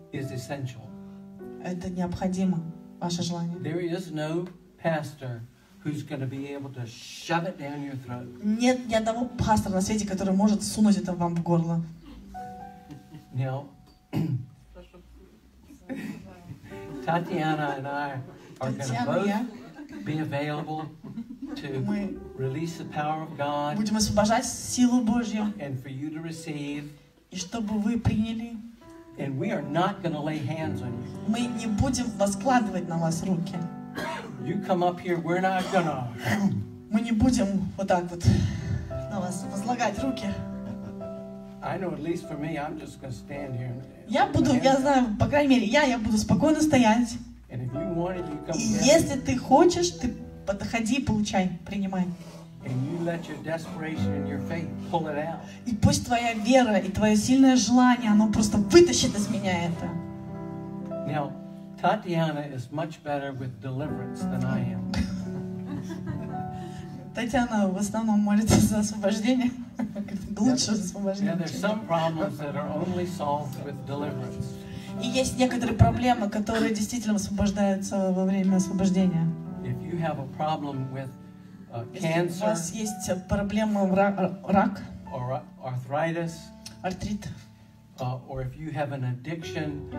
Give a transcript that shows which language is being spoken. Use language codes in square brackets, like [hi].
[en] Is essential. [ru] Это необходимо. Ваше желание. [en] There is no pastor who's going to be able to shove it down your throat. [ru] Нет ни одного пастора на свете, который может сунуть это вам в горло. [en] Now, Татьяна and I are going to both be available to release the power of God. [ru] Будем освобождать силу Божью. [en] And for you to receive. [ru] И чтобы вы приняли. [en] And we are not going to lay hands on you. [ru] Мы не будем воскладывать на вас руки. [en] You come up here, we're not going to. [ru] Мы не будем вот так вот на вас возлагать руки. [en] I know at least for me, I'm just going to stand here. [ru] Я буду, я знаю, по крайней мере, я буду спокойно стоять. [en] And if you want it, you come. [ru] Если ты хочешь, ты подходи, получай, принимай. [en] And you let your desperation and your faith pull it out. [ru] И пусть твоя вера и твое сильное желание, оно просто вытащит из меня это. [en] Now, Tatiana is much better with deliverance than I am. [ru] Татьяна в основном молится за освобождение. Лучше за освобождение. [en] Now, there's some problems that are only solved with deliverance. [ru] И есть некоторые проблемы, которые действительно освобождаются во время освобождения. [en] If you have a problem with cancer, [ru] если у вас есть проблема рак, [en] or arthritis, [ru] артрит, [en] or if you have an addiction,